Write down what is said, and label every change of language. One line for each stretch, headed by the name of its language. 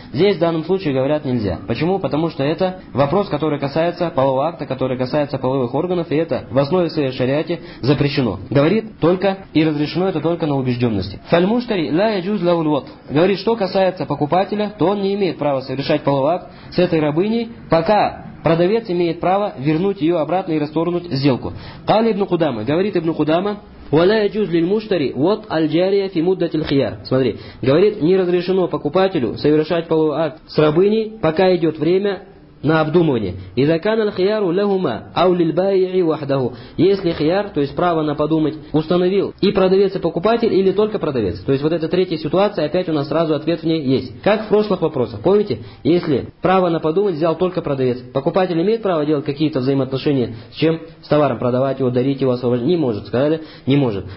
Russian: Здесь в данном случае говорят, нельзя. Почему? Потому что это вопрос, который касается полового акта, который касается половых органов, и это в основе своей шариате запрещено. Говорит только, и разрешено это только на убежденности.
Arabic: Фальмуштари ла яджуз ля уль-вот.
Russian: Говорит, что касается покупателя, то он не имеет права совершать половой акт с этой рабыней, пока продавец имеет право вернуть ее обратно и расторгнуть сделку. Кали ибн Кудама. Говорит ибн Кудама,
Arabic: ولا يجوز للمشتري وط الجارية في مدة الخيار.
Russian: Смотри, говорит, не разрешено покупателю совершать половой акт с рабыней, пока идет время на обдумывание.
Arabic: إذا كان الخيار لهما أو للبائع وحده.
Russian: Если хияр, то есть право на подумать, установил и продавец, и покупатель, или только продавец. То есть вот эта третья ситуация, опять у нас сразу ответ в ней есть. Как в прошлых вопросах, помните? Если право на подумать взял только продавец, покупатель имеет право делать какие-то взаимоотношения с чем? С товаром, продавать его, дарить его, освобождать? Не может, сказали? Не может.